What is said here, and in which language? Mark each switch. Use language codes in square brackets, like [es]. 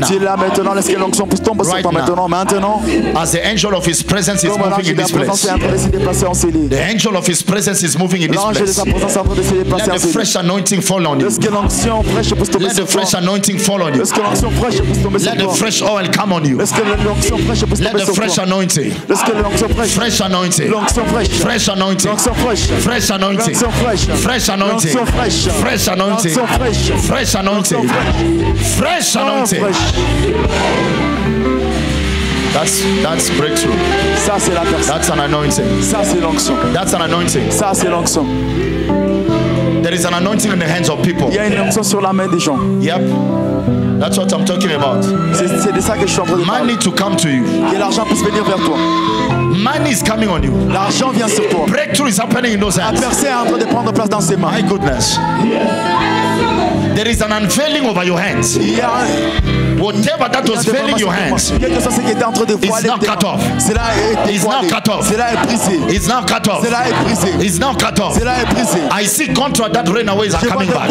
[fr] Comme tu es là maintenant, laisse que l'onction puisse tomber sur toi maintenant. Maintenant. [en] As the angel of His presence is moving in this place. The angel of His presence is moving in this place. [fr] L'ange de sa présence est en train de se déplacer. [en] Let the fresh anointing fall on you. [fr] Laisse que l'onction fraîche puisse tomber sur toi. [en] Let the fresh anointing fall on you. Let the fresh oil come on you. Let the fresh anointing. Fresh anointing. Fresh anointing. Fresh anointing. Fresh anointing. Fresh anointing. Fresh anointing. Fresh anointing. That's breakthrough. That's an anointing. That's an anointing. There is an anointing in the hands of people. Yep. That's what I'm talking about. [fr] C'est de ça que je suis en train de [en] parler. Money to come to you. [fr] Que l'argent puisse venir vers toi. [en] Money is coming on you. [fr] L'argent vient sur toi. [en] Breakthrough is happening in those hands. [fr] La percée est en train de prendre place dans ses mains. [en] My goodness. There is an unveiling over your hands. Yeah. Whatever that was failing your hands, it's now cut off. It's now cut off. It's now cut off. It's now cut off. I see contract that ran away is coming back.